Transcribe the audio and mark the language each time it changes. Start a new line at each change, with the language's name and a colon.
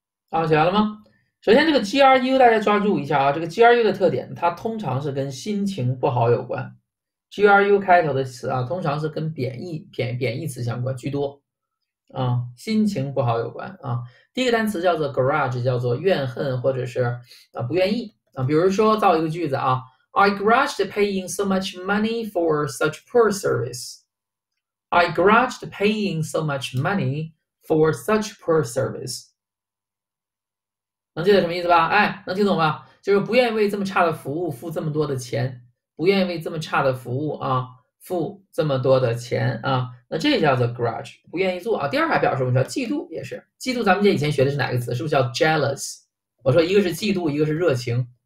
Chinese: 啊，写完了吗？首先，这个 GRU 大家抓住一下啊，这个 GRU 的特点，它通常是跟心情不好有关。 GRU 开头的词啊，通常是跟贬义词相关居多。啊，心情不好有关啊。第一个单词叫做 grudge，叫做怨恨或者是不愿意啊。
English: 比如说造一个句子啊，I grudged paying so much money for such poor service. I grudged paying so much money for such poor service.
Chinese: 能记得什么意思吧？哎，能听懂吧？就是不愿意为这么差的服务付这么多的钱，不愿意为这么差的服务啊。付这么多的钱啊，那这叫做 grudge，不愿意做啊。第二还表示什么叫嫉妒，也是嫉妒。咱们这以前学的是哪个词？是不是叫 jealous？ 我说一个是嫉妒，一个是热情。